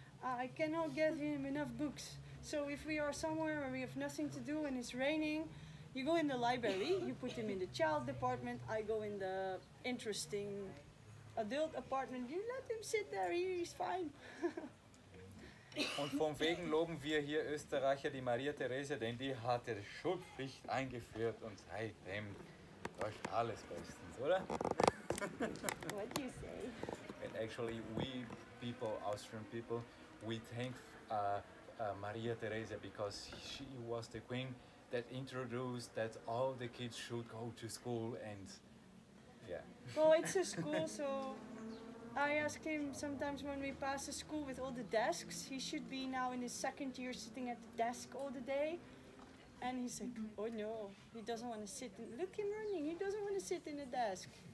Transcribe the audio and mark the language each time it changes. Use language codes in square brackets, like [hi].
[en] I cannot get him enough books. So if we are somewhere where we have nothing to do and it's raining, you go in the library, you put him in the child department, I go in the interesting adult apartment, you let him sit there, he's fine. [de] Und von wegen loben wir hier Österreicher die Maria Therese, denn die hat die Schulpflicht eingeführt und seitdem läuft alles bestens, oder? [en] What do you say? And actually we people, Austrian people, we thank Maria Theresa, because she was the queen that introduced that all the kids should go to school, and yeah. Well, it's a school, so I ask him sometimes when we pass a school with all the desks, he should be now in his second year sitting at the desk all the day, and he's like, oh no, he doesn't want to sit, look him running, he doesn't want to sit in a desk.